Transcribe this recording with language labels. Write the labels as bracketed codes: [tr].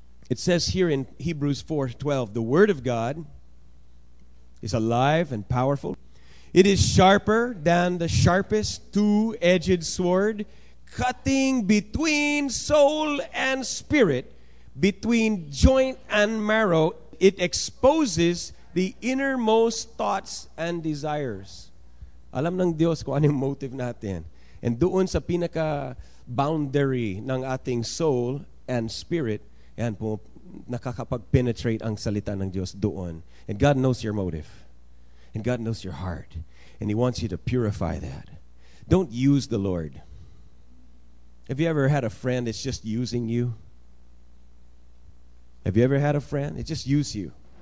[en] It says here in Hebrews 4:12, the Word of God is alive and powerful. It is sharper than the sharpest two-edged sword, cutting between soul and spirit, between joint and marrow. It exposes the innermost thoughts and desires. [tl] Alam ng Diyos kung ano yung motive natin. And doon sa pinaka boundary ng ating [en] soul and spirit, [tl] yan po, nakakapag-penetrate ang salita ng Diyos doon. [en] And God knows your motive. And God knows your heart. And He wants you to purify that. Don't use the Lord. Have you ever had a friend that's just using you? Have you ever had a friend? It just use you.